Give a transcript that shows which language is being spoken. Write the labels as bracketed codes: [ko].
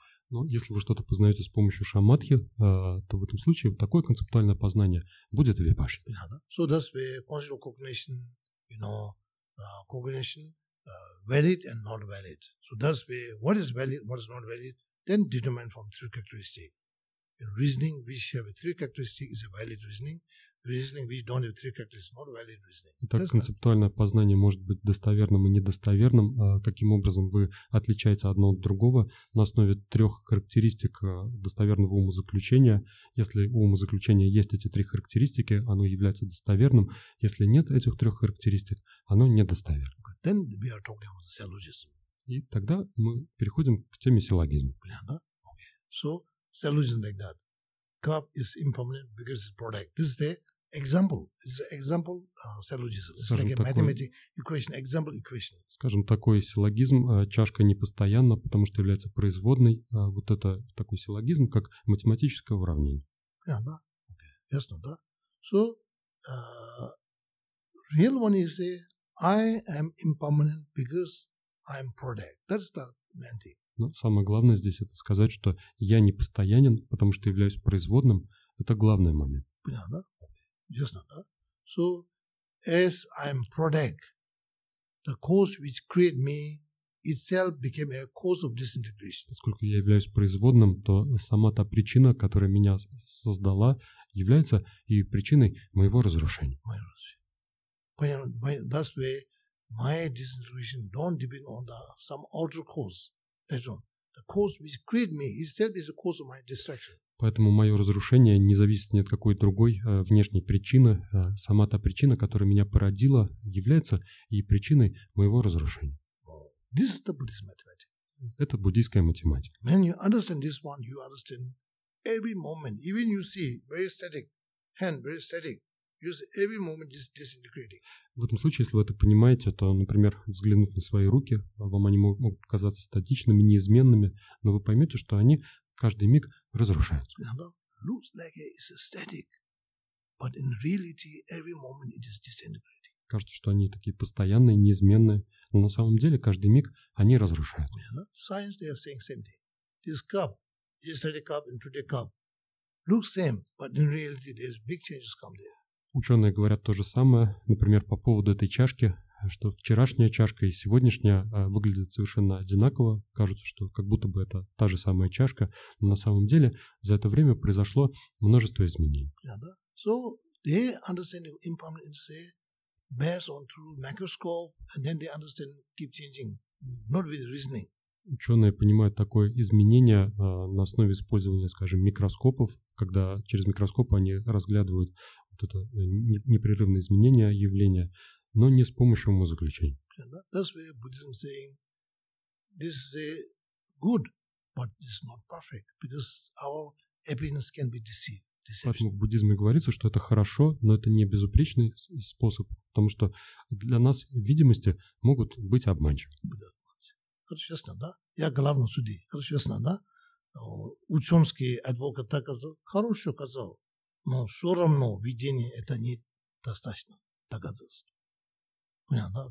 [ru] Но если вы что-то познаете с помощью шамадхи, то в этом случае такое концептуальное познание будет випашана. [en] So that's where conceptual cognition, you know, cognition valid and not valid. So thus way, what is valid, what is not valid, then determine from three characteristics. In reasoning which have a three characteristic is a valid reasoning. Reasoning which don't have three characteristics is not valid reasoning. [ru] Итак, концептуальное познание может быть достоверным и недостоверным. Каким образом вы отличаете одно от другого на основе трех характеристик достоверного умозаключения? Если у умозаключения есть эти три характеристики, оно является достоверным. Если нет этих трех характеристик, оно недостоверно. [en] Okay. Then we are talking about syllogism. [ru] И тогда мы переходим к теме силлогизма. [en] Syllogism like that. Cup is impermanent because it's product. This is the example. It's an example syllogism. It's like a mathematical equation, example equation. [ru] Скажем, такой силлогизм, чашка непостоянна, потому что является производной. Вот это такой силлогизм, как математическое уравнение. Yeah, да. Okay. Ясно, да? [en] So, real one is the I am impermanent because I am product. That's the main thing. [ru] Но самое главное здесь это сказать, что я не постоянен, потому что являюсь производным. Это главный момент. Понятно, да? Ясно, да? [en] So, as I am product, the cause which created me itself became a cause of disintegration. [ru] Поскольку я являюсь производным, то сама та причина, которая меня создала, является и причиной моего разрушения. Понятно. [en] That's why my disintegration don't depend on the, some outer cause. The cause which created me itself is the cause of my destruction. [ru] Поэтому мое разрушение не зависит ни от какой другой внешней причины. Сама та причина, которая меня породила, является и причиной моего разрушения. [en] This is the Buddhist mathematics. [ru] Это буддийская математика. [en] When you understand this one, you understand every moment. Even you see very static hand, very static. Every moment is disintegrating. [ru] В этом случае, если вы это понимаете, то, например, взглянув на свои руки, вам они могут казаться статичными, неизменными, но вы поймете, что они каждый миг разрушаются. [en] Looks like it's static, but in reality, every moment it is disintegrating. [ru] Кажется, что они такие постоянные, неизменные, но на самом деле каждый миг они разрушаются. [en] Science, they are saying same thing. This cup, yesterday cup and today cup, looks same, but in reality, there's big changes come there. [ru] Ученые говорят то же самое, например, по поводу этой чашки, что вчерашняя чашка и сегодняшняя выглядят совершенно одинаково, кажется, что как будто бы это та же самая чашка, но на самом деле за это время произошло множество изменений. Yeah, да. [en] So they understand impermanence based on through microscope, and then they understand keep changing, not with reasoning. [ru] Ученые понимают такое изменение на основе использования, скажем, микроскопов, когда через микроскоп они разглядывают вот это непрерывное изменение явления, но не с помощью умозаключений. [en] Yeah, that's why Buddhism saying this is good, but it's not perfect because our happiness can be deceived. [ru] Поэтому в буддизме говорится, что это хорошо, но это не безупречный способ, потому что для нас видимости могут быть обманчивы. Хорошо, ясно, да? Я главный судья. Хорошо, ясно, да? Ученый адвокат так сказал. Хорошо сказал, но все равно видение это недостаточно доказательств. Понятно, да?